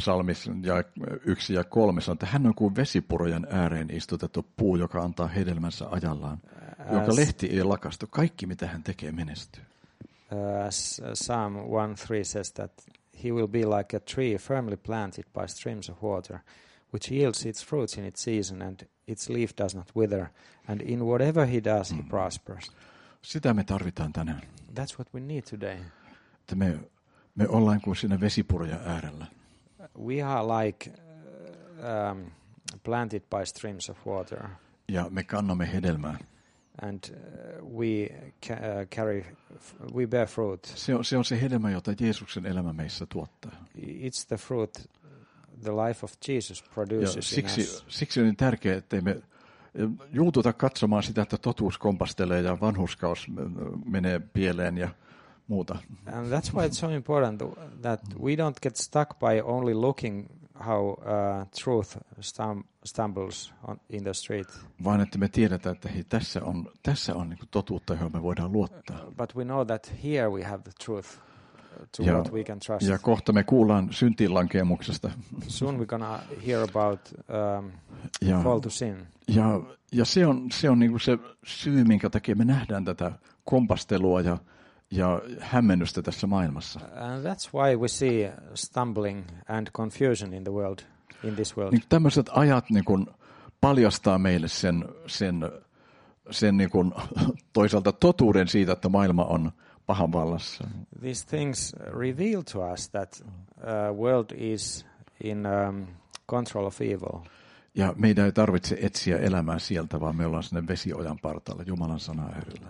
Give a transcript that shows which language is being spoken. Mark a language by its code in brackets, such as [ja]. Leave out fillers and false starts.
[fi] psalmin ja 1 ja 3 sanoo, että hän on kuin vesipurojen ääreen istutettu puu, joka antaa hedelmänsä ajallaan, joka lehti ei lakastu. Kaikki, mitä hän tekee, menestyy. [en] Psalm 1:3 says that he will be like a tree firmly planted by streams of water, which yields its fruits in its season, and its leaf does not wither, and in whatever he does, he prospers. [fi] Sitä me tarvitaan tänään. [en] That's what we need today. [fi] Että me ollaan kuin siinä vesipurojen äärellä. [en] We are like planted by streams of water. [fi] Ja me kannamme hedelmää. [en] And we carry, we bear fruit. [fi] Se on se hedelmä, jota Jeesuksen elämä meissä tuottaa. [en] It's the fruit the life of Jesus produces in us. [fi] Siksi on niin tärkeää, että me juututa katsomaan sitä, että totuus kompastelee ja vanhurskaus menee pieleen ja muuta. [en] And that's why it's so important that we don't get stuck by only looking how truth stumbles on in the street. [fi] Vaan että me tiedetään, että hei, tässä on niin kuin totuutta, johon me voidaan luottaa. [en] But we know that here we have the truth to what we can trust. [fi] Ja kohta me kuullaan syntiinlankeemuksesta. [en] Soon we're gonna hear about fall to sin. [fi] Ja se on niin kuin se syy, minkä takia me nähdään tätä kompastelua ja hämmennystä tässä maailmassa. [en] And that's why we see stumbling and confusion in the world, in this world. [fi] Niin tämmöiset ajat niin kuin paljastaa meille sen niin kuin toisaalta totuuden siitä, että maailma on pahan vallassa. [en] These things reveal to us that world is in control of evil. [fi] Ja meidän ei tarvitse etsiä elämää sieltä, vaan me ollaan sinne vesiojan partaalla Jumalan sanaa äärellä.